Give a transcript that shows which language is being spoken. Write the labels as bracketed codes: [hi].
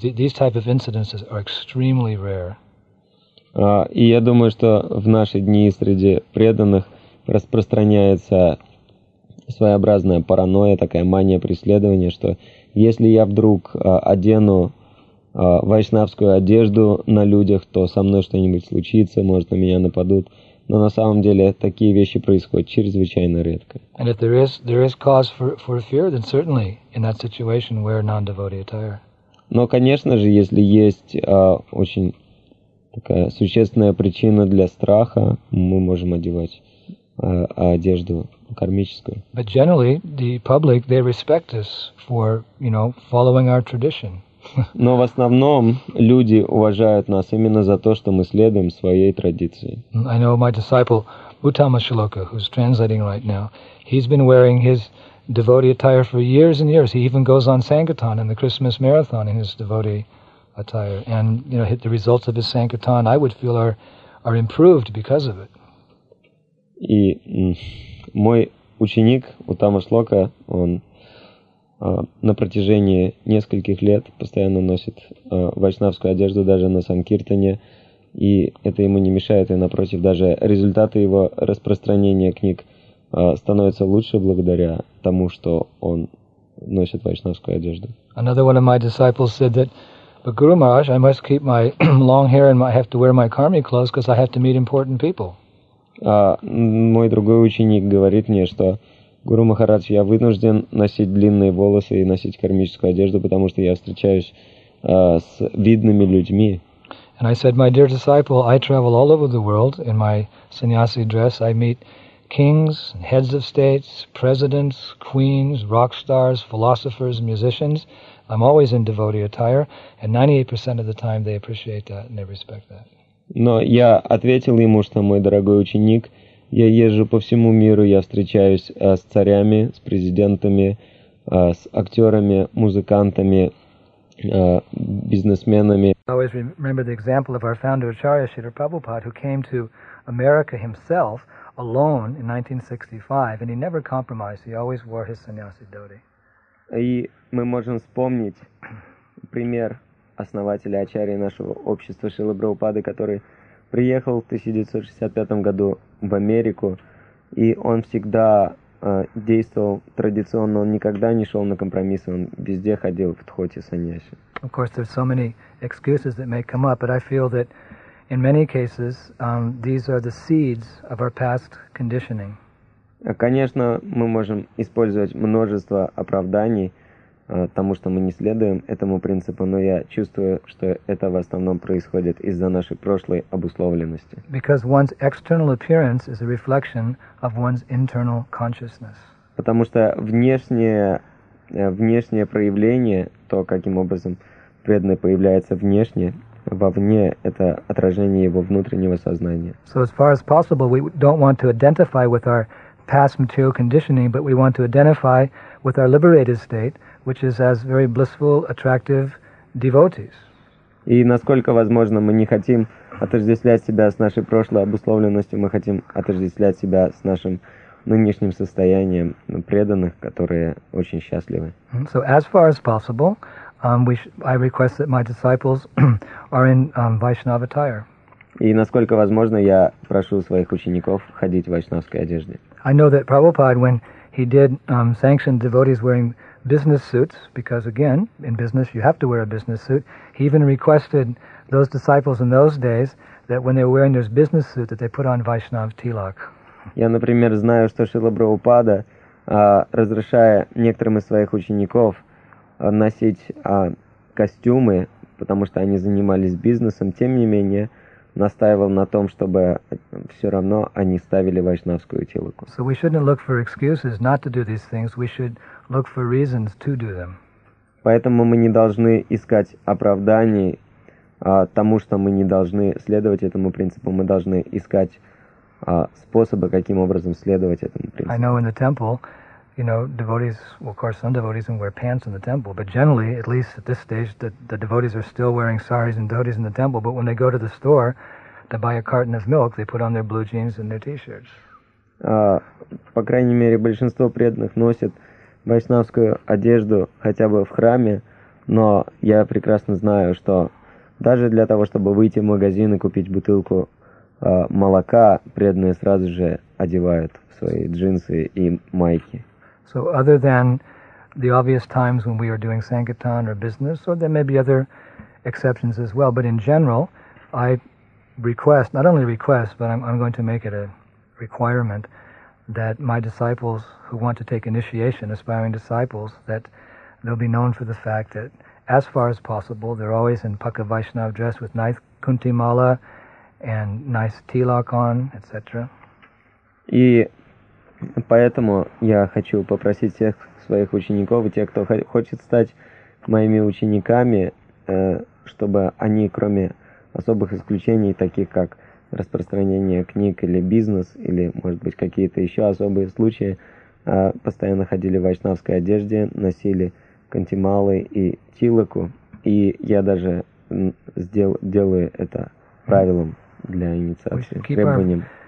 [en] These type of incidences are extremely rare. [ru] И я думаю, что в наши дни среди преданных распространяется своеобразная паранойя, такая мания преследования, что если я вдруг одену вайшнавскую одежду на людях, то со мной что-нибудь случится, может, на меня нападут. Но на самом деле такие вещи происходят чрезвычайно редко. [en] And if there is cause for fear, then certainly in that situation wear non-devotee attire. [ru] Но, конечно же, если есть очень такая существенная причина для страха, мы можем одевать одежду кармическую. [en] But generally, the public, they respect us for, you know, following our tradition. [ru] Но в основном люди уважают нас именно за то, что мы следуем своей традиции. [en] I know my disciple Uttamashloka, who's translating right now, he's been wearing his devotee attire for years and years. He even goes on Sankirtan in the Christmas marathon in his devotee attire. And, you know, hit the results of his Sankirtan, I would feel, are improved because of it. [ru] И мой ученик Uttamashloka, он на протяжении нескольких лет постоянно носит вайшнавскую одежду даже на Санкиртане, и это ему не мешает, и напротив, даже результаты его распространения книг становятся лучше благодаря тому, что он носит вайшнавскую одежду. [en] Another one of my disciples said that, but Guru Maharaj, I must keep my long hair and I have to wear my karmic clothes because I have to meet important people. [ru] Мой другой ученик говорит мне, что Гуру Махарадж, я вынужден носить длинные волосы и носить кармическую одежду, потому что я встречаюсь с видными людьми. [en] And I said, my dear disciple, I travel all over the world in my sannyasi dress. I meet kings, heads of states, presidents, queens, rock stars, philosophers, musicians. I'm always in devotee attire, and 98% of the time they appreciate that and they respect that. [ru] Но я ответил ему, что мой дорогой ученик, я езжу по всему миру, я встречаюсь с царями, с президентами, с актерами, музыкантами, бизнесменами. [en] I always remember the example of our founder Acharya Shridhar Prabhupada, who came to America himself alone in 1965, and he never compromised. He always wore his sannyasi dhoti. [ru] И мы можем вспомнить пример основателя Ачарьи нашего общества Шрилы Прабхупады, который приехал в 1965 году в Америку, и он всегда действовал традиционно, он никогда не шел на компромиссы, он везде ходил в дхоти саньяси. [en] Of course, there's so many excuses that may come up, but I feel that in many cases, these are the seeds of our past conditioning. [ru] Конечно, мы можем использовать множество оправданий тому, что мы не следуем этому принципу, но я чувствую, что это в основном происходит из-за нашей прошлой обусловленности. [en] Because one's external appearance is a reflection of one's internal consciousness. [ru] Потому что внешнее проявление, то, каким образом преданный появляется внешне, вовне, это отражение его внутреннего сознания. [en] So as far as possible, we don't want to identify with our past material conditioning, but we want to identify with our liberated state, which is as very blissful, attractive devotees. [ru] И насколько возможно, мы не хотим отождествлять себя с нашей прошлой обусловленностью, мы хотим отождествлять себя с нашим нынешним состоянием преданных, которые очень счастливы. [en] So as far as possible, I request that my disciples are in Vaishnava attire. [ru] И насколько возможно, я прошу своих учеников ходить в вайшнавской одежде. [en] I know that Prabhupada, when he did sanction devotees wearing business suits, because again, in business you have to wear a business suit. He even requested those disciples in those days that when they were wearing their business suit, that they put on Vaishnav tilak. [ru] Я, например, знаю, что Шрила Прабхупада, разрешая некоторым из своих учеников носить костюмы, потому что они занимались бизнесом, тем не менее настаивал на том, чтобы все равно они ставили вайшнавскую тилаку. [en] So we shouldn't look for excuses not to do these things. We should look for reasons to do them. [ru] Поэтому мы не должны искать оправданий тому, что мы не должны следовать этому принципу. Мы должны искать способы, каким образом следовать этому принципу. [en] I know in the temple, you know, devotees, well, of course, some devotees can wear pants in the temple, but generally, at least at this stage, the devotees are still wearing saris and dhotis in the temple, but when they go to the store to buy a carton of milk, they put on their blue jeans and their t-shirts. [ru] По крайней мере, большинство преданных носят вайшнавскую одежду хотя бы в храме, но я прекрасно знаю, что даже для того, чтобы выйти в магазин и купить бутылку молока, преданные сразу же одевают свои джинсы и майки. [en] So other than the obvious times when we are doing sankirtan or business, or there may be other exceptions as well, but in general, I request, not only request, but I'm going to make it a requirement that my disciples who want to take initiation, aspiring disciples, that they'll be known for the fact that as far as possible, they're always in Pakka Vaishnav dress with nice, Kunti Mala and nice tilak on, etc. [ru] И поэтому я хочу попросить всех своих учеников и тех, кто хочет стать моими учениками, чтобы они, кроме особых исключений, таких как распространение книг или бизнес, или, может быть, какие-то еще особые случаи, постоянно ходили в вайшнавской одежде, носили кантималы и тилаку, и я даже делаю это правилом для инициации, требованием.